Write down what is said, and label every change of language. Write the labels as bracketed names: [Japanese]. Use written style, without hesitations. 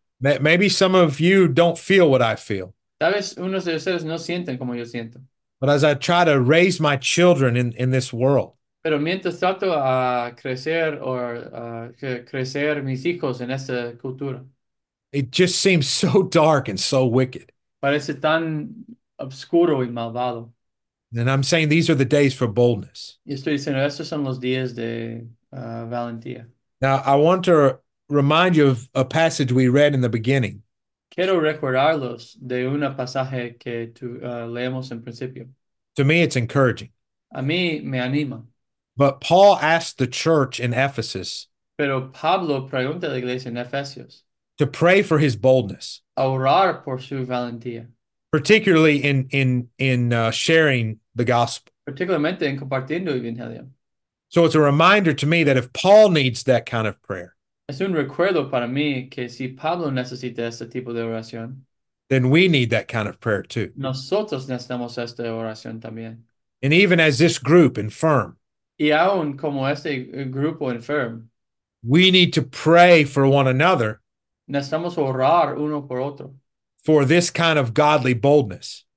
[English] Maybe some of you don't feel what I feel. [Spanish] Tal vez unos de ustedes no sienten como yo siento. [English] But as I try to raise my children in this world. [Spanish] Pero mientras trato a crecer crecer mis hijos en esta cultura. [English] It just seems so dark and so wicked. [Spanish] Parece tan obscuro y malvado. [English] And I'm saying these are the days for boldness. [Spanish] Y estoy diciendo, estos son los días de valentía. [English] Now, I want to remind you of a passage we read in the beginning. [Spanish] Quiero recordarlos de una pasaje que leemos en principio. [English] To me, it's encouraging. [Spanish] A mí me anima. [English] But Paul asked the church in Ephesus [Spanish] pero Pablo pregunta a la iglesia en Efesios [English] to pray for his boldness. [Spanish] A orar por su valentía. [English] Particularly in sharing the gospel. [Spanish] Particularmente en compartiendo el evangelio. [English] So it's a reminder to me that if Paul needs that kind of prayer, [Spanish] es un recuerdo para mí que si Pablo necesita este tipo de oración, [English] then we need that kind of prayer too. [Spanish] Nosotros necesitamos esta oración también. [English] And even as this group infirm, [Spanish] y aún como este grupo infirm, [English] we need to pray for one another, [Spanish] necesitamos orar uno por otro, [English] for this kind of godly boldness.